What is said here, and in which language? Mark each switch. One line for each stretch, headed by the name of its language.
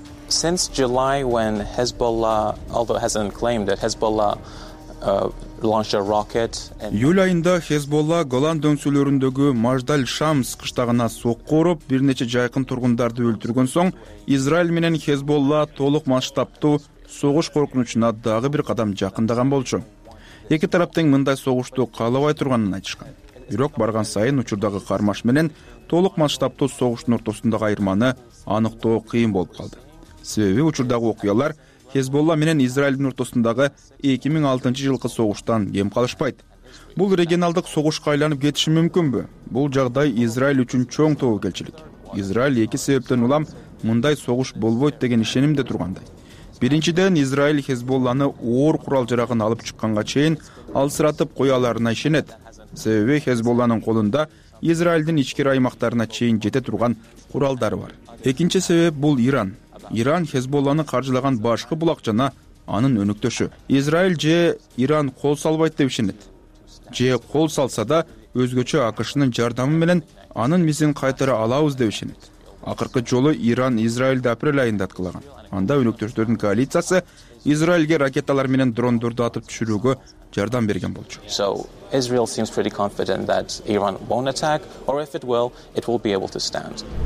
English: Since July, when Hezbollah, although it hasn't claimed that Hezbollah launched a rocket,
Kyrgyz: июль айында Hezbollah Golan дөңсөлөрүндөгү Маждаль Шамс кыштагына сокку уруп бир нече жакын тургундарды өлтүргөн соң, Израиль менен Hezbollah толук масштабтуу согуш коркунучуна дагы бир кадам жакындаган болчу. Эки тарап тең мындай согушту каалабай турганын айтышкан. Бирок барган сайын учурдагы кармаш менен толук масштабтуу согуштун ортосундагы айырманы аныктоо кыйын болуп калды. Себеби учурдагы окуялар Хезболла менен Израилдин ортосундагы 2006 жылкы согуштан кем калышпайт. Бул регионалдык согушка айланып кетиши мүмкүнбү? Бул жагдай Израиль үчүн чоң тобокелчилик. Израиль эки себептен улам мындай согуш болбойт деген ишенимде тургандай. Биринчиден, Израиль Хезболланы оор курал жарагын алып чыкканга чейин алсыратып кояларына ишенет. Себеби Хезболланын колунда Израилдин ичкери аймактарына чейин жете турган куралдар бар. Экинчи себеп бул Иран. Иран Хезболланы каржылаган башкы булак жана анын өнөктөшү. Израиль же Иран кол салбайт деп ишенет. Же кол салса да өзгөчө АКШнын жардамы менен анын мисин кайтара алабыз деп ишенет. Акыркы жолу Иран Израилди апрель айында аткылаган. Анда өнөктөштөрдүн коалициясы Израилге ракеталар менен дрондорду атып түшүрүүгө жардам берген болчу.
English: So Israel seems pretty confident that Iran won't attack, or if it will, it will be able to stand.